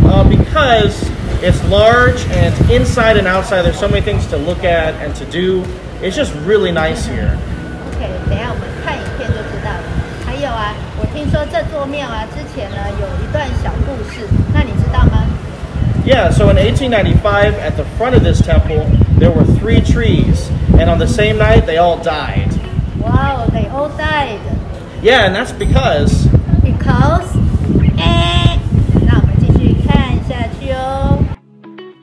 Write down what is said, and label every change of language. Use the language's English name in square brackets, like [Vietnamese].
[English] Because it's large and inside and outside, there's so many things to look at and to do. It's just really nice here. [Chinese] Okay, 等下我们看影片就知道了。还有啊，我听说这座庙啊，之前呢有一段小故事，那你知道吗？ [English] Yeah, so in 1895, at the front of this temple, there were three trees. And on the same night, they all died. Wow, they all died. Yeah, and that's because... Because? Now, let's continue.